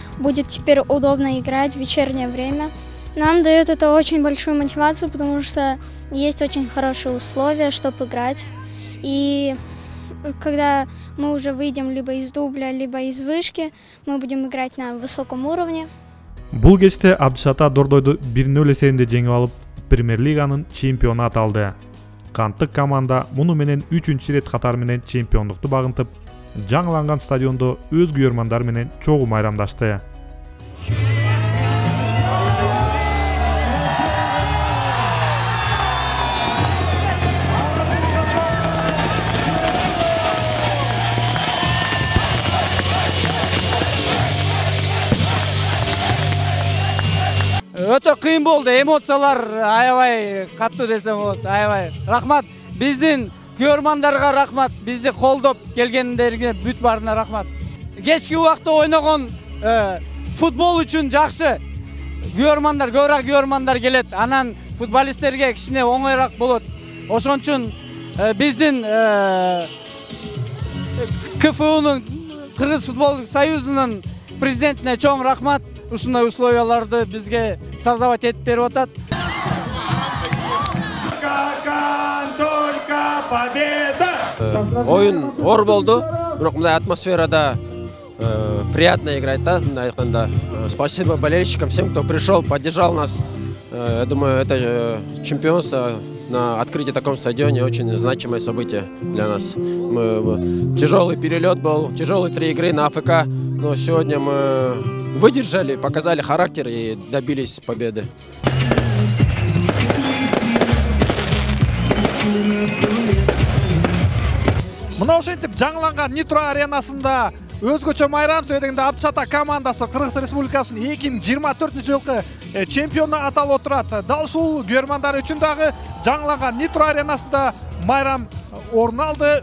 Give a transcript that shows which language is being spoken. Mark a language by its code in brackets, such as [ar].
[ru] Будет теперь удобно играть в вечернее время. Нам дает это очень большую мотивацию, потому что есть очень хорошие условия, чтобы играть. И когда мы уже выйдем либо из дубля, либо из вышки, мы будем играть на высоком уровне. [ky] Бул кечте Абдышата Дордойду 1-0 эсебинде жеңип алып, Премьер Лиганын чемпиону аталды. Канттык команда муну менен 3-чү рет катар менен чемпиондукту багынтып, жаңыланган стадиондо өз көрөрмандар менен чогуу майрамдашты. Өтө кыйын болду, эмоциялар аябай катуу десем болот, аябай. Рахмат биздин көрөрмандарга, рахмат бизди колдоп келгендерге, бүт баарына рахмат. Кечки убакта ойногон футбол үчүн жакшы. Көрөрмандар, көбүрөөк көрөрмандар келет, анан футболисттерге кичине оңойраак болот. Ошон үчүн биздин КФУнун, Кыргыз футбол союзунун президентине чоң рахмат. Ушундай условияларды бизге [ru] создавать этот первый этап. Только победа! [ky] Оюн оор болду, бирок мындай атмосферада [ru] приятно играть, [ky] да, мындай айтканда. [ru] Спасибо болельщикам, всем, кто пришел, поддержал нас. Я думаю, это чемпионство на открытии таком стадионе очень значимое событие для нас. Тяжелый перелет был, тяжелые три игры на АФК, но сегодня мы выдержали, показали характер и добились победы. [ky] Мынау ошентип жаңыланган Нитро аренасында өзгөчө майрам сөйдөгөндө Абдышата командасы Кыргыз Республикасынын 2024 жылкы чемпиону аталып отурат. Дал ушул көрөрмандар үчүн дагы жаңыланган Нитро аренасында майрам орун алды.